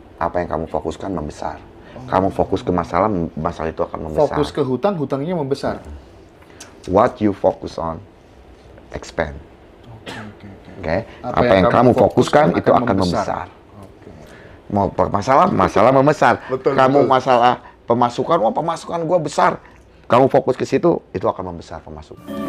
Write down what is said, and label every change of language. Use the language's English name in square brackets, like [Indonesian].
[Indonesian] Apa yang kamu fokuskan, membesar. Kamu fokus ke masalah, masalah itu akan membesar. Fokus ke hutang, hutangnya membesar. [English] What you focus on, expand. Okay. [Indonesian] Apa yang kamu fokuskan, itu akan membesar. Mau masalah, masalah membesar. Betul, kamu betul. Masalah pemasukan, wah pemasukan gua besar. Kamu fokus ke situ, itu akan membesar pemasukan.